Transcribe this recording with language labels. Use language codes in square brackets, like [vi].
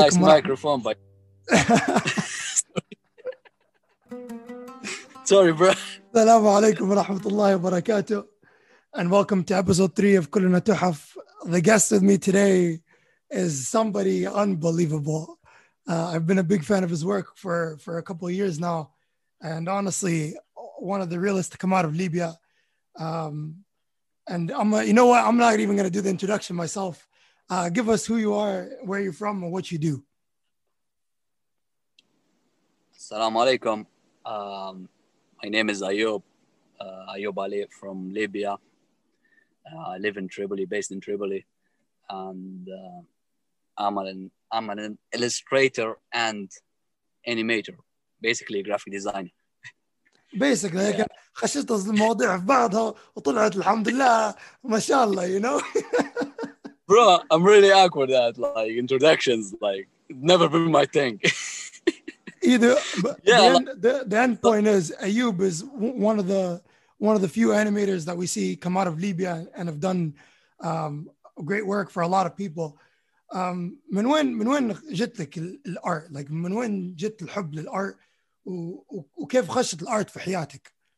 [en] Nice microphone bye sorry bro. [ar] السلام عليكم ورحمة الله وبركاته. [en] And welcome to episode 3 of كلنا تحف. The guest with me today is somebody unbelievable. I've been a big fan of his work for a couple of years now. And honestly, one of the realest to come out of Libya. I'm not even going to do the introduction myself. Give us who you are, where you're from, and what you do. Assalamu alaikum. My name is Ayub. Ayub Ali from Libya. I live in Tripoli, based in Tripoli. And I'm an illustrator and animator, basically a graphic designer. Basically, yeah. [ar] خشيت المواضيع في بعضها وطلعت الحمد لله ما شاء الله, [en] you know. Bro, I'm really awkward at like introductions. Like, never been my thing. Either, but yeah, the end point is Ayub is one of the few animators that we see come out of Libya and have done great work for a lot of people. [ar] من وين جت لك الارت؟ Like, من وين جت الحب للارت وكيف خشت الارت في حياتك؟